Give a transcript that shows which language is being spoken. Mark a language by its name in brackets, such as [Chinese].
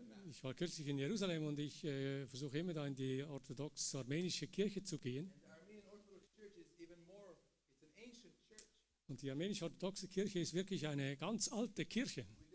[German] Ich war kürzlich in Jerusalem und ich versuche immer da in die orthodox-armenische Kirche zu gehen. [English] And the Armenian Orthodox Church is even more, it's an [German] Und die armenisch-orthodoxe Kirche ist wirklich eine ganz alte Kirche.